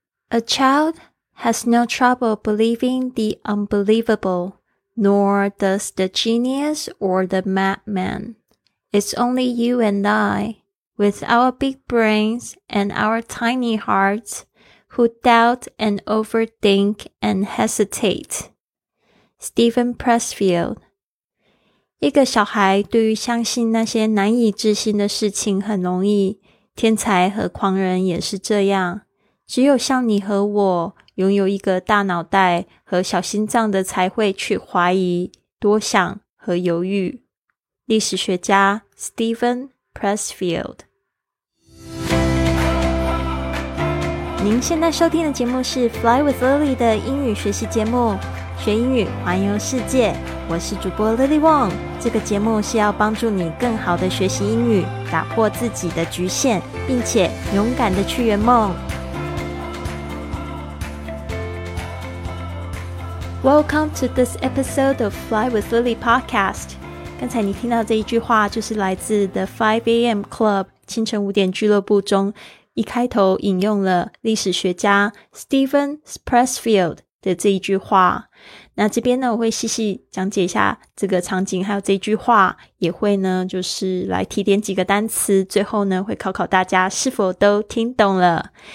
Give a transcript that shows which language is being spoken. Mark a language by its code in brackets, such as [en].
[en] A child has no trouble believing the unbelievable, nor does the genius or the madman. It's only you and I, with our big brains and our tiny hearts, who doubt and overthink and hesitate. Stephen Pressfield. [zh] 一个小孩对于相信那些难以置信的事情很容易，天才和狂人也是这样。只有像你和我拥有一个大脑袋和小心脏的才会去怀疑、多想和犹豫。历史学家 Stephen Pressfield。您现在收听的节目是 Fly with Lily 的英语学习节目，学英语环游世界，我是主播 Lily Wong。这个节目是要帮助你更好的学习英语，打破自己的局限，并且勇敢的去圆梦。 [en] Welcome to this episode of Fly with Lily podcast. [zh] 刚才你听到这一句话就是来自 The 5AM Club 清晨五点俱乐部中一开头引用了历史学家 Stephen Pressfield 的这一句话。那这边呢，我会细细讲解一下这个场景还有这一句话，也会呢就是来提点几个单词，最后呢会考考大家是否都听懂了。